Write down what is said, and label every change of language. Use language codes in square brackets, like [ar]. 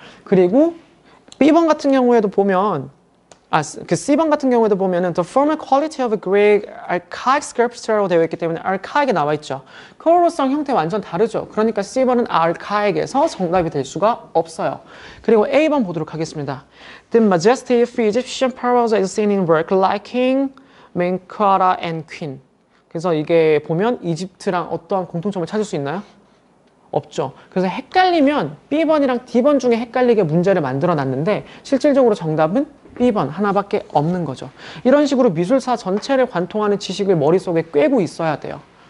[ko] 그리고 B번 같은 경우에도 보면 그 C번 같은 경우에도 보면은 [en] The formal quality of a Greek archaic sculpture [ko] 라고 되어 있기 때문에 archaic이 나와 있죠. 코어로성 형태 완전 다르죠. 그러니까 C번은 archaic에서 정답이 될 수가 없어요. 그리고 A번 보도록 하겠습니다. [en] The majesty of Egyptian pharaohs is seen in work like King, Menkaure and Queen. [ko] 그래서 이게 보면 이집트랑 어떠한 공통점을 찾을 수 있나요? 없죠. 그래서 헷갈리면 B번이랑 D번 중에 헷갈리게 문제를 만들어 놨는데 실질적으로 정답은 B번 하나밖에 없는 거죠. 이런 식으로 미술사 전체를 관통하는 지식을 머릿속에 꿰고 있어야 돼요.